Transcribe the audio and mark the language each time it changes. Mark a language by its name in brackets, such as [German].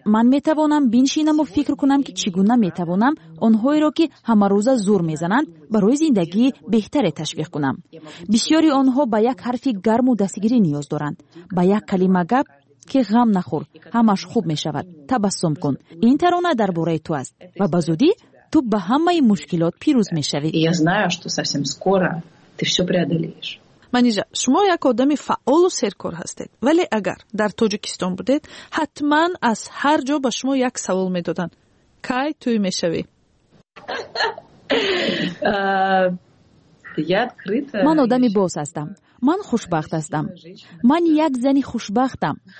[Tajik] Ман метавонам биншинаму фикр кунам ки чӣ гуна метавонам онҳоеро ки ҳамарӯза зур мезананд барои зиндагии беҳтаре ташвиқ кунам. Бисёри онҳо ба як ҳарфи гарму дастгирӣ ниёз доранд, ба як калима гап ки ғам нахур, ҳамаш хуб мешавад, табассум кун. Ин тарона дар бораи ту аст ва ба зудӣ ту ба ҳамаи мушкилот пирӯз мешавӣ. [Russian] Я знаю, что совсем скоро ты всё преодолеешь. [Tajik] Манижа, шумо як одами фаъолу серкор ҳастед. Вале агар дар Тоҷикистон будед, ҳатман аз ҳар ҷо ба шумо як савол медоданд. Кай туй мешавӣ? Ман одами боз ҳастам. Ман хушбахт ҳастам. Ман як зани хушбахтам.